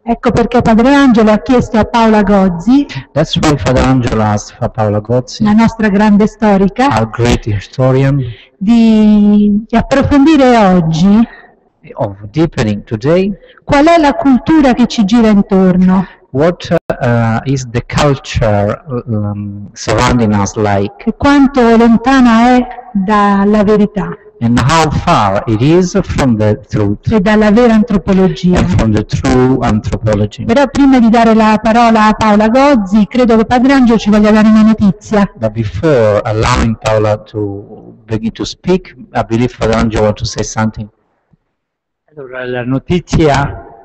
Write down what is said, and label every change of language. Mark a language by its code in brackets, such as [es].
[it] Ecco perché Padre Angelo ha chiesto a Paola Gozzi. [en] That's why Father Angelo asked for Paola Gozzi. [it] La nostra grande storica. [en] Our great historian. [it] Di approfondire oggi. [en] Of deepening today. [it] Qual è la cultura che ci gira intorno? [en] What is the culture surrounding us like? [it] E quanto lontana è dalla verità? [en] And how far it is from the truth. [it] E dalla vera antropologia. [en] And from the true anthropology. [it] Però prima di dare la parola a Paola Gozzi, credo che Padre Angelo ci voglia dare una notizia. [en] But before allowing Paola to begin to speak, I believe Padre Angelo wants to say something. [it] Allora, la notizia